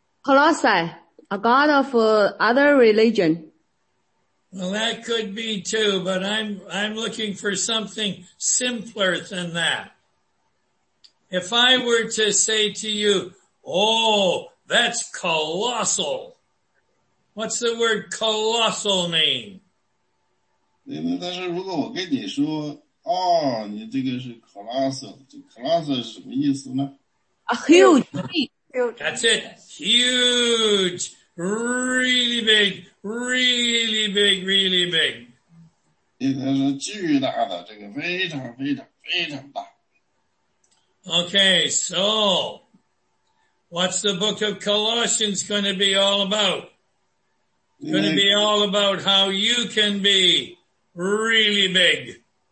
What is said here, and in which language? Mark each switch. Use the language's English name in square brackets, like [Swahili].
[English] Colossi, a god of other religion. Well, that could be too, but I'm looking for something simpler than that. If I were to say to you, oh, that's colossal. What's the word colossal mean? [Chinese] 但是如果我跟你说, 你这个是colossal,colossal是什么意思呢? [English] A huge. That's it. Huge. Really big. Really big. Really big. [Chinese] 它是巨大的,这个非常非常非常大。 [English] Okay, so what's the book of Colossians going to be all about? It's going to be all about how you can be really big.